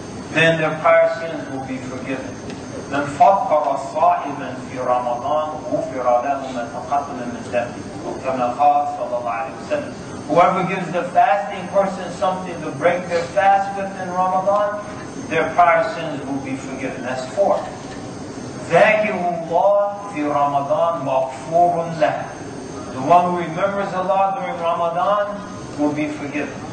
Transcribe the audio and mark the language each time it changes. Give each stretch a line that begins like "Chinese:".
English: Then their prior sins will be forgiven.
Arabic: من فطر صائما في رمضان غفر له ما تقدم من ذنبه. كما قال صلى الله عليه وسلم.
English: Whoever gives the fasting person something to break their fast with in Ramadan, their prior sins will be forgiven. That's four.
Arabic: ذَكِرُ اللَّهِ فِي رَمَضَانِ مَغْفُورٌ لَهُ.
English: The one who remembers Allah during Ramadan will be forgiven.